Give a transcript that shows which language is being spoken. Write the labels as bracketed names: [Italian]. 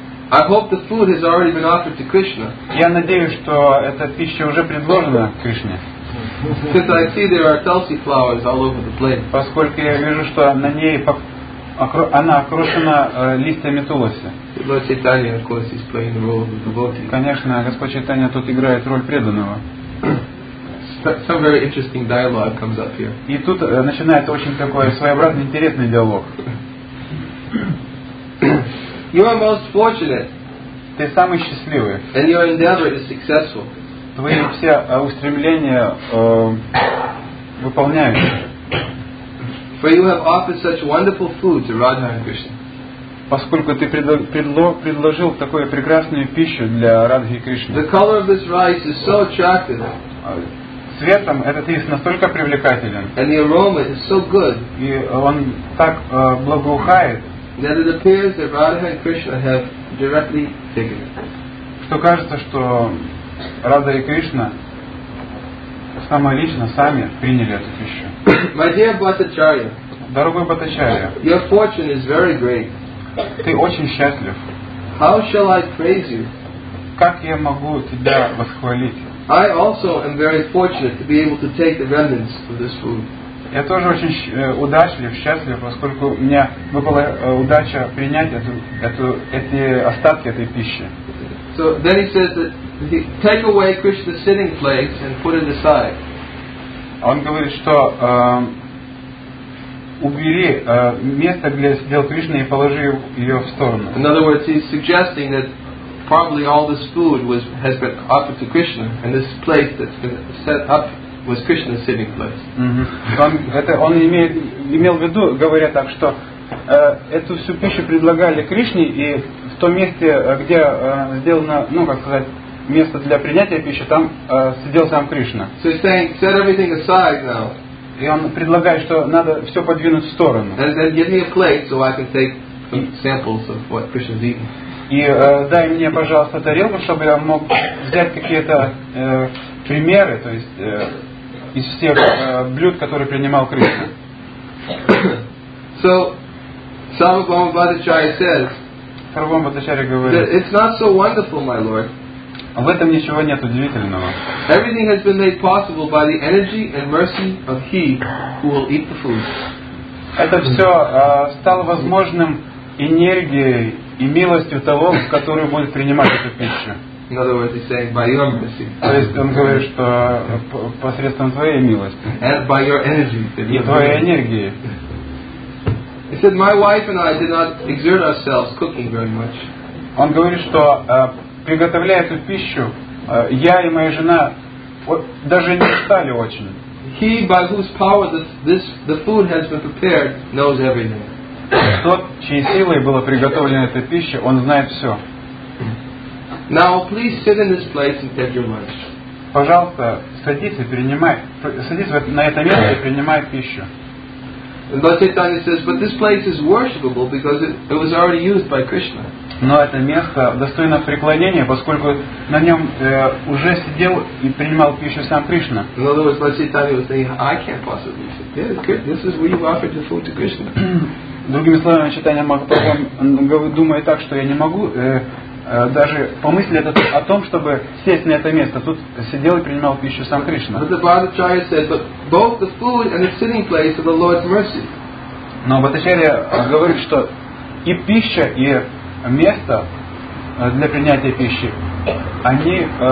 [English] I hope the food has already been offered to Krishna. [Russian] Я надеюсь, что эта пища уже предложена Кришне. [English] Because I see there are tulsi flowers all over the plate. [Russian] Поскольку я вижу, что на ней она окрошена листьями туласи. [English] Lord Chaitanya, of course, is playing the role of the devotee. [Russian] Конечно, Господь Чайтанья тут играет роль преданного. [English] Some very interesting dialogue comes up here. [Russian] И тут начинается очень такой своеобразный интересный диалог. [English] You are most fortunate. [Russian] Ты самый счастливый. [English] And your endeavor is successful. [Russian] Твои все устремления выполняются. [English] For you have offered such wonderful food to Radha and Krishna. [Russian] Поскольку ты предложил такую прекрасную пищу для Радхи и Кришны. [English] The color of this rice is so attractive. [Russian] Цветом этот рис настолько привлекателен. [English] And the aroma is so good. [Russian] И он так благоухает. [English] That it appears that Radha and Krishna have directly taken it. [Russian] Что кажется, что Радха и Кришна самолично сами приняли эту пищу. [English] My dear Bhattacharya. [Russian] Дорогой Бхаттачарья. [English] Your fortune is very great. [Russian] Ты очень счастлив. [English] How shall I praise you? [Russian] Как я могу тебя восхвалить? [English] I also am very fortunate to be able to take the remnants of this food. [Russian] Я тоже очень удачлив, счастлив, поскольку у меня выпала удача принять эти остатки этой пищи. [English] So then he says that he take away Krishna's sitting place and put it aside. [Russian] Он говорит, что убери место для сидел Кришны и положи ее в сторону. [English] In other words, he's suggesting that probably all this food has been offered to Krishna, and this place that's been set up was Krishna's sitting place. [Russian] Он имел в виду, говоря так, что эту всю пищу предлагали Кришне, и в том месте, где сделано, ну как сказать, место для принятия пищи, там сидел сам Кришна. [English] So he's saying, set everything aside now. [Russian] И он предлагает, что надо все подвинуть в сторону. [English] And give me a plate so I can take some samples of what Krishna's eating. [Russian] И дай мне, пожалуйста, тарелку, чтобы я мог взять какие-то примеры, то есть из всех блюд, которые принимал Кришна. [English] So, Sarvabhauma Bhattacharya says, [Russian] Sarvabhauma Bhattacharya говорит, [English] it's not so wonderful, my lord. [Russian] В этом ничего нет удивительного. [English] Everything has been made possible by the energy and mercy of He who will eat the food. [Russian] Это все стало возможным энергией и милостью того, который будет принимать эту пищу. [English] In other words, he's saying by your mercy. [Russian] То есть он говорит, что посредством твоей милости. [English] And by your energy. [Russian] И твоей энергии. [English] He said, "My wife and I did not exert ourselves cooking very much." [Russian] Он говорит, что приготовляя эту пищу, я и моя жена даже не устали очень. [English] He by whose power the food has been prepared knows everything. [Russian] Тот, чьей силой была приготовлена эта пища, он знает все. [English] Now please sit in this place and take your lunch. [Russian] Пожалуйста, садись и принимай, садись на это место и принимай пищу. [English] And Lord Chaitanya says, but this place is worshipable because it was already used by Krishna. [Russian] Но это место достойно преклонения, поскольку на нем уже сидел и принимал пищу сам Кришна. [English] In other words, Lord Chaitanya was saying, I can't possibly sit there. This is where you offered the food to Krishna. [Russian] Другими словами, Чайтанья Махапрабху думает так, что я не могу даже помыслить о том, чтобы сесть на это место. Тут сидел и принимал пищу сам Кришна. [English] But the Bhattacharya said, but both the food and the sitting place are the Lord's mercy. [Russian] Но Бхаттачарья говорит, что и пища, и место для принятия пищи, они